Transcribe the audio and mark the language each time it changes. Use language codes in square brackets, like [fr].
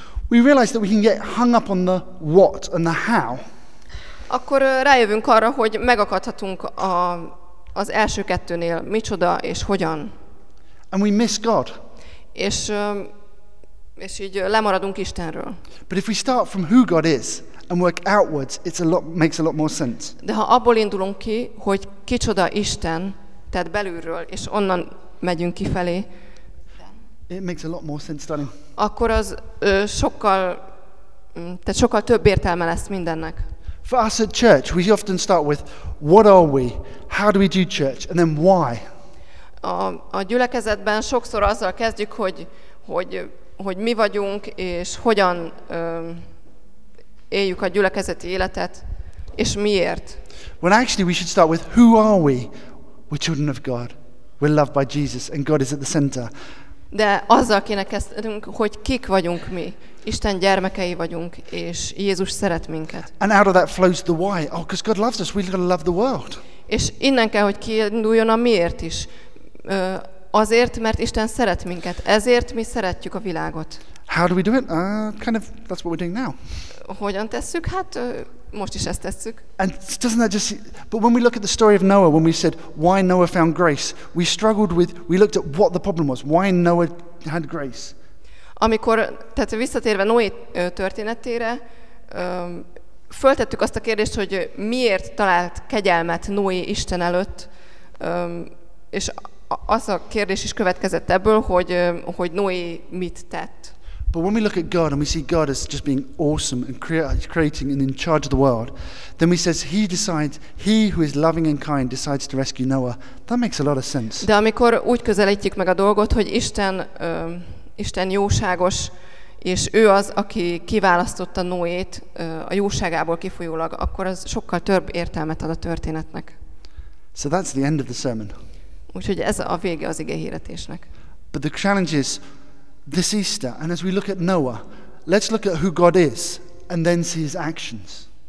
[en] we realize that we can get hung up on the what and the how. [hu] Akkor rájövünk arra, hogy megakadhatunk az első kettőnél, micsoda és hogyan. [en] And we miss God. [hu] És így lemaradunk Istenről. [en] But if we start from who God is and work outwards, makes a lot more sense. [hu] De ha abból indulunk ki, hogy kicsoda Isten, tehát belülről, és onnan megyünk kifelé, [en] it makes a lot more sense, darling. [hu] Akkor az sokkal több értelme lesz mindennek. [en] For us at church, we often start with, what are we? How do we do church? And then why? [hu] A gyülekezetben sokszor azzal kezdjük, hogy mi vagyunk, és hogyan éljük a gyülekezeti életet, és miért. [en] When actually we should start with, who are we? We're children of God. We're loved by Jesus, and God is at the center. [hu] De azzal kéne kezdenünk, hogy kik vagyunk mi. Isten gyermekei vagyunk, és Jézus szeret minket. [en] And out of that flows the why. Oh, because God loves us, we've got to love the world. [hu] És innen kell, hogy kiinduljon a miért is. Azért, mert Isten szeret minket. Ezért mi szeretjük a világot. [en] How do we do it? Kind of, that's what we're doing now. [hu] Hogyan tesszük? Hát, most is ezt tesszük. [en] And doesn't that just... But when we look at the story of Noah, when we said, why Noah found grace, we struggled with... We looked at what the problem was. Why Noah had grace. [hu] Amikor, tehát visszatérve Noé történetére, föltettük azt a kérdést, hogy miért talált kegyelmet Noé Isten előtt, és az a kérdés is következett ebből, hogy Noé mit tett. [en] But when we look at God and we see God as just being awesome and creating and in charge of the world, then we says he who is loving and kind decides to rescue Noah. That makes a lot of sense. [hu] De amikor úgy közelítjük meg a dolgot, hogy Isten jóságos, és ő az, aki kiválasztotta Noét a jóságából kifolyólag, akkor az sokkal több értelmet ad a történetnek. [en] So that's the end of the sermon. [hu] Úgyhogy ez a vége az igehirdetésnek. [en] But the challenge is this Easter, and as we look at Noah, let's look at who God is, and then see his actions.